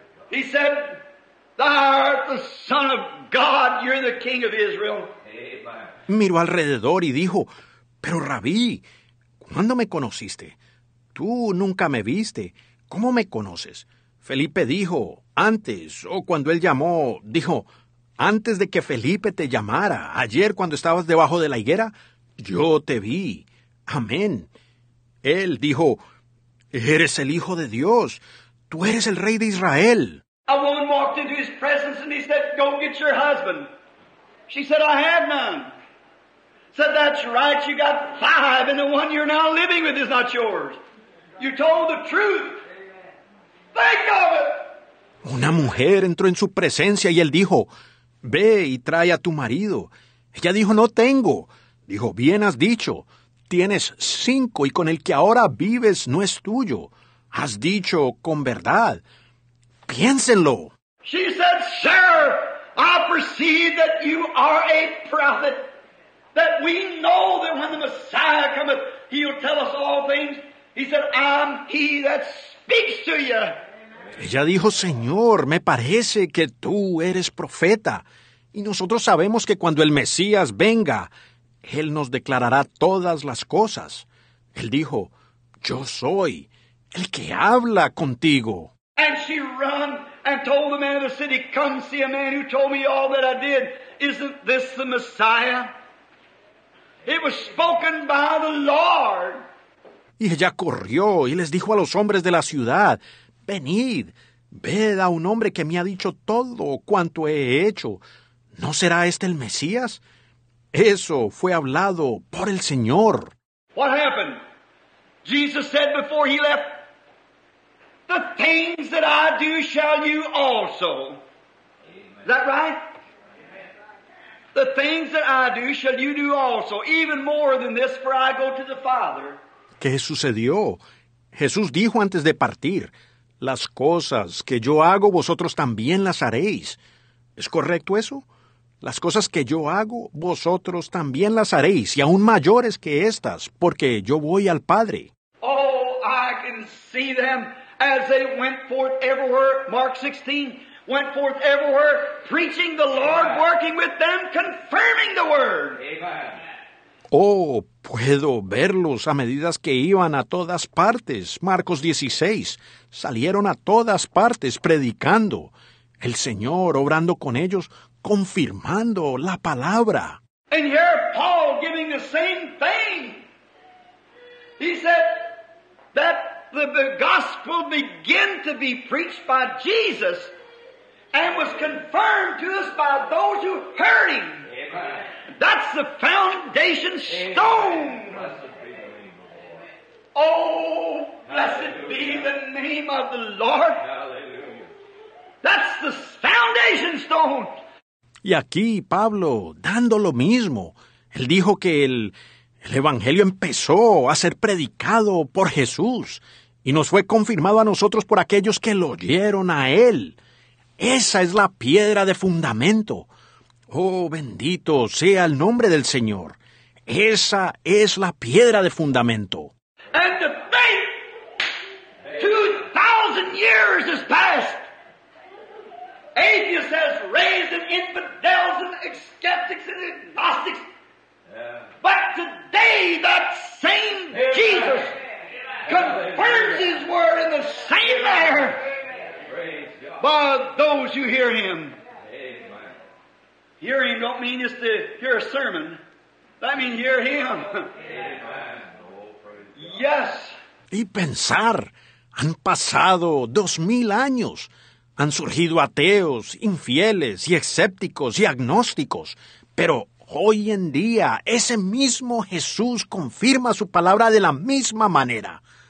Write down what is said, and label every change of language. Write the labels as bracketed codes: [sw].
[en] He said, thou art the Son of God, you're the King of Israel. Amen. [es] Miró alrededor y dijo, pero Rabí, ¿cuándo me conociste? Tú nunca me viste. ¿Cómo me conoces? Felipe dijo, antes, o cuando él llamó, dijo, antes de que Felipe te llamara, ayer cuando estabas debajo de la higuera, yo te vi. Amén. Él dijo, eres el Hijo de Dios. Tú eres el Rey de Israel. [en] A woman walked into his presence and he said, go get your husband. She said, I have none. Said, that's right, you got five, and the one you're now living with is not yours. You told the truth. Think of it! [es] Una mujer entró en su presencia y él dijo, ve y trae a tu marido. Ella dijo, no tengo. Dijo, bien has dicho, tienes cinco y con el que ahora vives no es tuyo. Has dicho con verdad. Piénsenlo. [en] She said, sir, I perceive that you are a prophet. That we know that when the Messiah cometh, he'll tell us all things. He said, I'm he that speaks to you. [es] Ella dijo, Señor, me parece que tú eres profeta. Y nosotros sabemos que cuando el Mesías venga, él nos declarará todas las cosas. Él dijo, yo soy el que habla contigo. [en] And she ran and told the man of the city, come see a man who told me all that I did. Isn't this the Messiah? It was spoken by the Lord. [es] Y ella corrió y les dijo a los hombres de la ciudad, venid, ved a un hombre que me ha dicho todo cuanto he hecho. ¿No será este el Mesías? Eso fue hablado por el Señor. [en] What happened? Jesus said before he left, the things that I do shall you also. Is that right? The things that I do shall you do also, even more than this, for I go to the Father. [es] ¿Qué sucedió? Jesús dijo antes de partir, las cosas que yo hago, vosotros también las haréis. ¿Es correcto eso? Las cosas que yo hago, vosotros también las haréis, y aún mayores que estas, porque yo voy al Padre. [en] Oh, I can see them as they went forth everywhere, Mark 16, went forth everywhere, preaching the Lord, working with them, confirming the word. [es] Oh, puedo verlos a medida que iban a todas partes. Marcos 16, salieron a todas partes predicando. El Señor obrando con ellos, confirmando la palabra. [en] And here Paul giving the same thing. He said that the gospel began to be preached by Jesus and was confirmed to us by those who heard him. That's the foundation stone. Oh, blessed be the name of the Lord. That's the foundation stone. [es] Y aquí Pablo dando lo mismo. Él dijo que el evangelio empezó a ser predicado por Jesús y nos fue confirmado a nosotros por aquellos que lo oyeron a él. Esa es la piedra de fundamento. Oh, bendito sea el nombre del Señor. Esa es la piedra de fundamento. [en] And the faith, 2,000 years has passed. Atheists has raised in infidels and skeptics and agnostics. But today that same Jesus confirms his word in the same manner by those who hear him. Hearing don't mean just to hear a sermon. That means hear him. Amen. Yes. [es] Y pensar, han pasado 2,000 años. Han surgido ateos, infieles y escépticos y agnósticos. Pero hoy en día, ese mismo Jesús confirma su palabra de la misma manera.